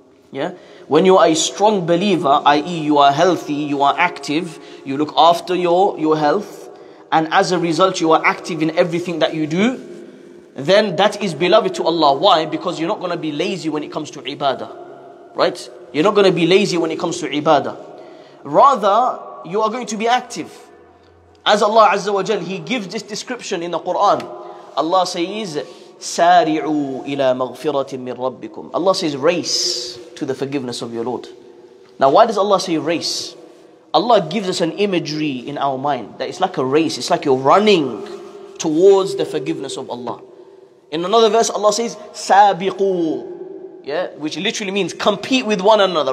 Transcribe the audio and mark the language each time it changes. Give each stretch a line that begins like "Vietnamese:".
English: Yeah, when you are a strong believer, i.e. you are healthy, you are active, you look after your health, and as a result you are active in everything that you do, then that is beloved to Allah. Why? Because you're not going to be lazy when it comes to ibadah. Right? You're not going to be lazy when it comes to ibadah. Rather, you are going to be active. As Allah Azza wa Jal, He gives this description in the Quran. Allah says,
Arabic: سَارِعُوا إِلَى مَغْفِرَةٍ مِّن رَبِّكُمْ.
English: Allah says, race to the forgiveness of your Lord. Now, why does Allah say race? Allah gives us an imagery in our mind that it's like a race. It's like you're running towards the forgiveness of Allah. In another verse, Allah says, سَابِقُوا. Yeah, which literally means compete with one another.